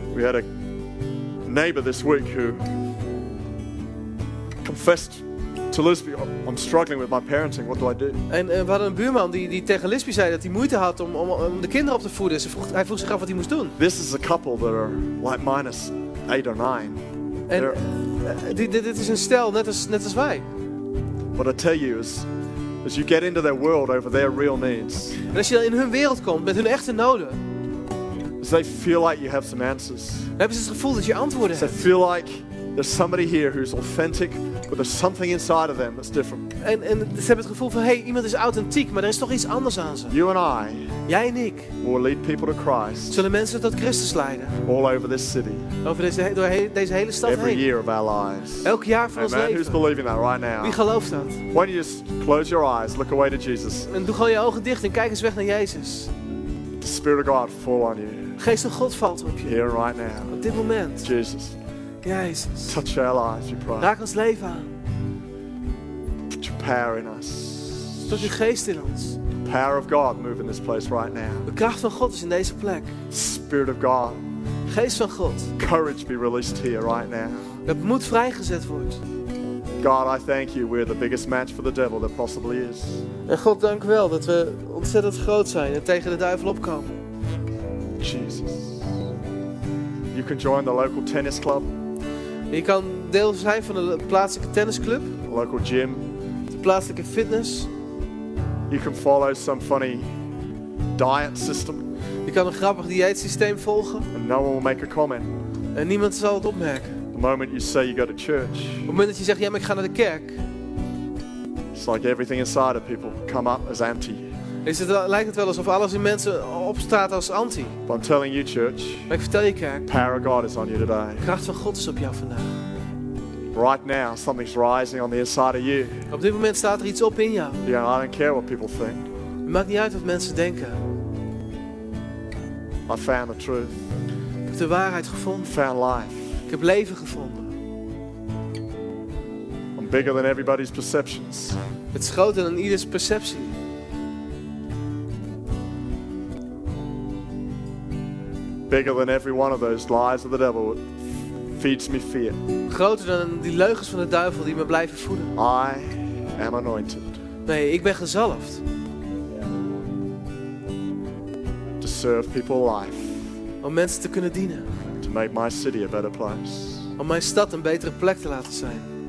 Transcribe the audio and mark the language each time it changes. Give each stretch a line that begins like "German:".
English: We had a neighbor this week who confessed to Lisby, I'm struggling with my parenting. What do I do?
Dutch: En we hadden een buurman die tegen Lisby zei dat hij moeite had om de kinderen op te voeden. Hij vroeg zich af wat hij moest doen.
English: This is a couple that are like minus 8 or 9.
Dutch: Dit is een stel net als wij.
English: What I tell you is, as you get into their world over their real needs.
Dutch: En als je dan in hun wereld komt met hun echte noden.
English: They feel like you have some answers.
Dutch: Hebben ze het gevoel dat je antwoorden hebt?
English: They feel like there's somebody here who's authentic, but there's something inside of them that's different.
Dutch: En ze hebben het gevoel van, hey, iemand is authentiek, maar er is toch iets anders aan ze.
English: You and I,
Dutch: jij en ik,
English: will lead people to Christ.
Dutch: Zullen mensen tot Christus leiden.
English: All over this city.
Dutch: Over deze hele stad
English: every Every year of our lives.
Dutch: Elk jaar van ons leven.
English: Who's believing that right now?
Dutch: Wie gelooft dat?
English: Why don't you just close your eyes, look away to Jesus.
Dutch: En doe gewoon je ogen dicht en kijk eens weg naar Jezus.
English: The Spirit of God fall on you.
Dutch: Geest van God valt op je.
English: Here right now.
Dutch: Op dit moment.
English: Jesus.
Dutch: Jezus.
English: Touch our lives, we pray.
Dutch: Raak ons leven aan.
English: Put your power in us.
Dutch: Stort je geest in ons.
English: The power of God move in this place right now.
Dutch: De kracht van God is in deze plek.
English: Spirit of God.
Dutch: Geest van God.
English: Courage be released here right now.
Dutch: Dat moed vrijgezet wordt.
English: God, I thank you. We're the biggest match for the devil there possibly is.
Dutch: En God, dank wel dat we ontzettend groot zijn en tegen de duivel opkomen.
English: Jesus. You can join the local tennis club.
Dutch: Je kan deel zijn van de plaatselijke tennisclub.
English: Local gym.
Dutch: De plaatselijke fitness.
English: You can follow some funny diet system.
Dutch: Je kan een grappig dieetsysteem volgen.
English: And no one will make a comment.
Dutch: En niemand zal het opmerken.
English: The moment you say you go to church.
Dutch: Op het moment dat je zegt ja, maar ik ga naar de kerk.
English: It's like everything inside of people come up as anti.
Dutch: Lijkt het wel alsof alles in mensen opstaat als anti.
English: But I'm telling you, church.
Dutch: Maar ik vertel je, kerk.
English: Power of God is on you today.
Dutch: De kracht van God is op jou vandaag.
English: Right now, something's rising on the inside of you.
Dutch: Op dit moment staat er iets op in jou.
English: Yeah, I don't care what people think.
Dutch: Het maakt niet uit wat mensen denken.
English: I found the truth.
Dutch: Ik heb de waarheid gevonden.
English: Found life.
Dutch: Ik heb leven gevonden.
English: I'm bigger than everybody's perceptions.
Dutch: Het is groter dan ieders perceptie.
English: Bigger than every one of those lies of the devil. Feeds me fear.
Dutch: Groter dan die leugens van de duivel die me blijven voeden.
English: I am anointed.
Dutch: Nee, ik ben gezalfd.
English: To serve people life.
Dutch: Om mensen te kunnen dienen.
English: To make my city a better place.
Dutch: Om mijn stad een betere plek te laten zijn.